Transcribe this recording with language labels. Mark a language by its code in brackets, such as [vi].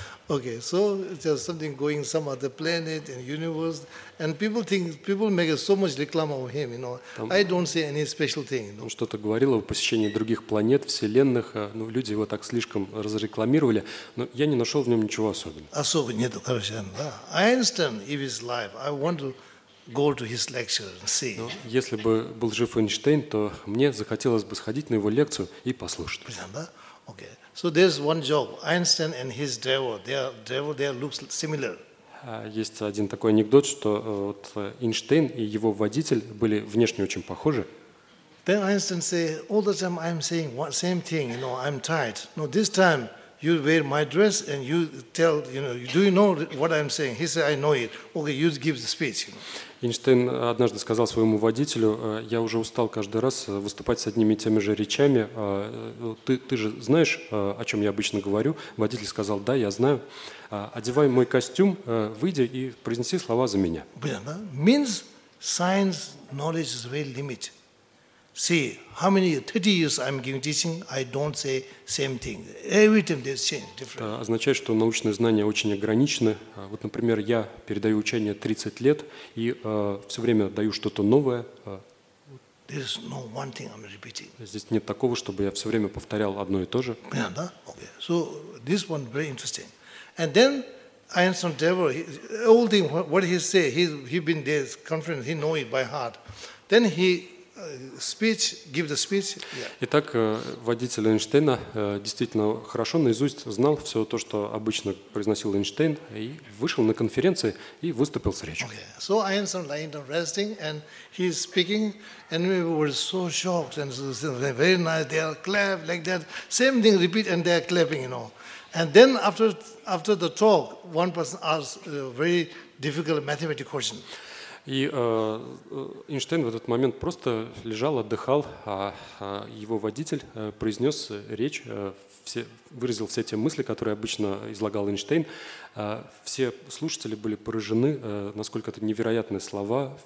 [en] Okay, so there's something going some other planet and universe, and people think people make so much reclama of him, you know. [ru] Там, [en] I don't see any special thing. [ru] Он что-то говорил о посещении других планет, вселенных. Ну, люди его так слишком разрекламировали, но я не нашел в нем ничего особенного. Особо нету, короче, да. [en] Einstein, if he's alive, I want to go to his lecture and see. [ru] Ну, если бы был жив Эйнштейн, то мне захотелось бы сходить на его лекцию и послушать. Понятно, да? [en] Okay. So there's one joke. Einstein and his driver, their driver looks similar. [ru] Есть один такой анекдот, что вот Эйнштейн и его водитель были внешне очень похожи. [en] Then Einstein say, all the time I'm saying the same thing, you know, I'm tired. No, this time you wear my dress and you tell, you know, do you know what I'm saying? He said, I know it. Okay, you give the speech, you know. [ru] Эйнштейн однажды сказал своему водителю, я уже устал каждый раз выступать с одними и теми же речами. Ты же знаешь, о чем я обычно говорю? Водитель сказал, да, я знаю. Одевай мой костюм, выйди и произнеси слова за меня. Блин, да? [en] Means science knowledge is very limited. See, how many years, 30 years I'm giving teaching, I don't say same thing. Every time there's change, different. [ru] Это означает, что научные знания очень ограничены. Вот, например, я передаю учение 30 лет и все время даю что-то новое. [en] There's no one thing I'm repeating. [ru] Здесь нет такого, чтобы я все время повторял одно и то же. Понятно, да? [en] Okay. So this one very interesting. And then Einstein Devil, all thing what he say, he been there's conference, he know it by heart. Then he speech, give the speech. Yeah. [ru] Итак, водитель Эйнштейна действительно хорошо наизусть знал все то, что обычно произносил Эйнштейн, и вышел на конференции и выступил с речью. [en] Okay. So Einstein lying down resting, and he's speaking, and we were so shocked, and so very nice, they are clap like that, same thing repeat, and they are clapping, you know. And then after the talk, one person asks a very difficult mathematical question. [ru] И Эйнштейн в этот момент просто лежал, отдыхал, а его водитель произнес речь, выразил все те мысли, которые обычно излагал Эйнштейн. Все слушатели были поражены, насколько это невероятные слова.